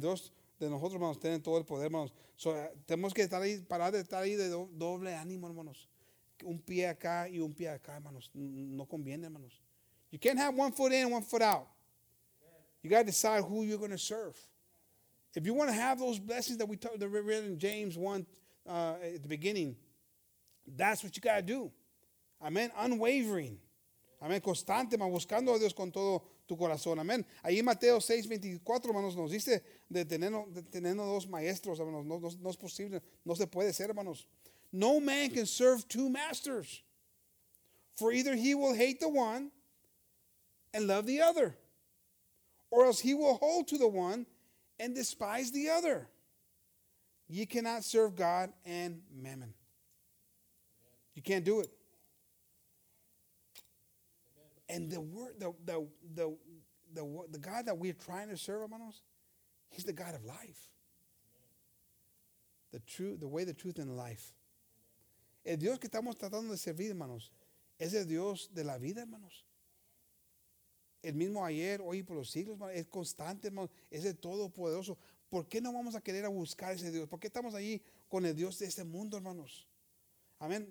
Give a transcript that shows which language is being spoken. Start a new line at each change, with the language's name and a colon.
Spanish: Dios de nosotros, hermanos, tiene todo el poder, hermanos. So, tenemos que estar ahí, parar de estar ahí de doble ánimo, hermanos. Un pie acá y un pie acá, hermanos. No conviene, hermanos.
English: You can't have one foot in and one foot out. You got to decide who you're going to serve. If you want to have those blessings that we talked about, that we read in James 1 at the beginning, that's what you got to do.
Spanish: Amen. Unwavering. Amen. Constante, man. Buscando a Dios con todo tu corazón. Amen. Ahí Mateo 6:24, hermanos, nos dice de tener dos maestros, hermanos. No es posible. No se puede ser, hermanos.
English: No man can serve two masters. For either he will hate the one and love the other, or else he will hold to the one and despise the other. Ye cannot serve God and mammon. You can't do it. And the God that we're trying to serve, hermanos, he's the God of life. The true, the way, the truth, and the life.
Spanish: El Dios que estamos tratando de servir, hermanos, es el Dios de la vida, hermanos. El mismo ayer, hoy y por los siglos, hermanos, es constante, hermanos, es el todopoderoso. ¿Por qué no vamos a querer a buscar ese Dios? ¿Por qué estamos ahí con el Dios de este mundo, hermanos? Amén.